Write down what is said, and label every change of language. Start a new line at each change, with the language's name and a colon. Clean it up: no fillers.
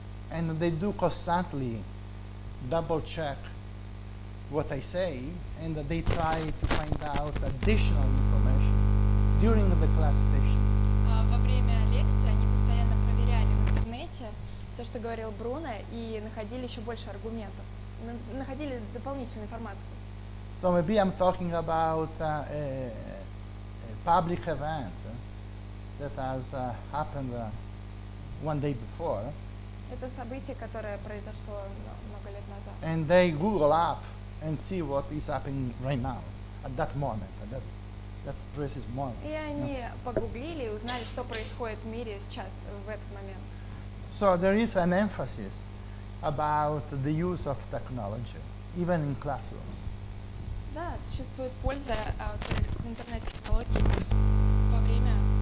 English: And they do constantly double check what I say, and they try to find out additional information during the class session.
Russian: Во время лекции они постоянно проверяли в интернете все, что говорил Бруно, и находили еще больше аргументов, находили дополнительную информацию.
English: So maybe I'm talking about a public event that has happened one day before.
Russian: Это событие, которое произошло много лет назад.
English: And they Google up and see what is happening right now, at that moment, at that precise moment.
Russian: И они погуглили и узнали, что происходит в мире сейчас, в этот момент.
English: So there is an emphasis about the use of technology, even in classrooms.
Russian: Да, существует польза от интернет-технологий во время...